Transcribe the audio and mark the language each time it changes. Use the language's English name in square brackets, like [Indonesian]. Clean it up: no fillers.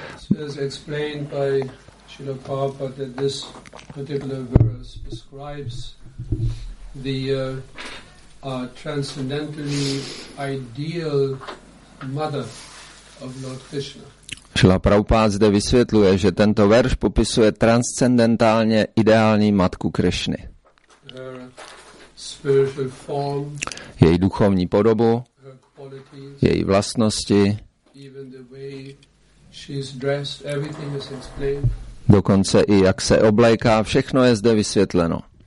[English] This is explained by Srila Prabhupada that this particular verse describes the transcendentally ideal mother of Lord Krishna. [Czech] Srila Prabhupada zde vysvětluje, že tento verš popisuje transcendentálně ideální matku Krishny. [English] Her spiritual form, [Czech] její duchovní podobu, [English] her qualities, [Czech] její vlastnosti, [English] even the way she's dressed, everything is explained. [Czech] Dokonce i jak se obléká, všechno je zde vysvětleno.